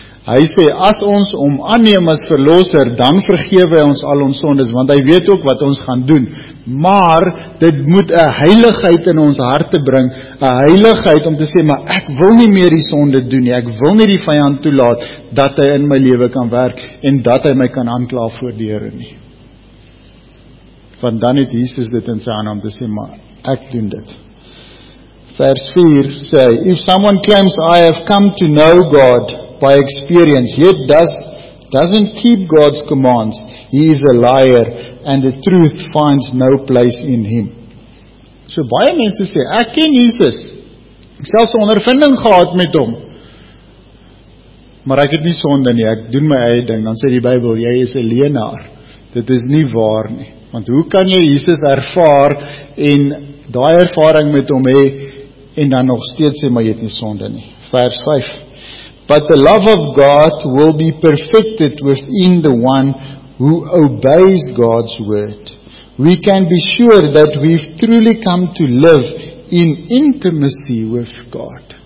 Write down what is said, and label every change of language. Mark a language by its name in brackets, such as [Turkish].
[Afrikaans] Hy sê, as ons om aanneem as verloser, dan vergewe hy ons al ons sondes, want hy weet ook wat ons gaan doen. Maar, dit moet een heiligheid in ons harte bring, een heiligheid om te sê, maar ek wil nie meer die sonde doen nie, ek wil nie die vijand toelaat, dat hy in my leven kan werk, en dat hy my kan aankla voor die Here nie. Want dan het Jesus dit in sy hand om te sê, maar ek doen dit. Vers 4 sê, [English] if someone claims I have come to know God by experience, yet doesn't keep God's commands, he is a liar, and the truth finds no place in him. [Afrikaans] So, baie mense sê, ek ken Jesus, ek selfs ondervinding gehad met hom, maar ek het nie sonde nie, ek doen my eie ding, dan sê die Bybel, jy is 'n leenaar, dit is nie waar nie, want hoe kan jy Jesus ervaar, en daai ervaring met hom hee, en dan nog steeds sê, maar jy het nie sonde nie. Vers 5, [English] but the love of God will be perfected within the one who obeys God's word. We can be sure that we've truly come to live in intimacy with God.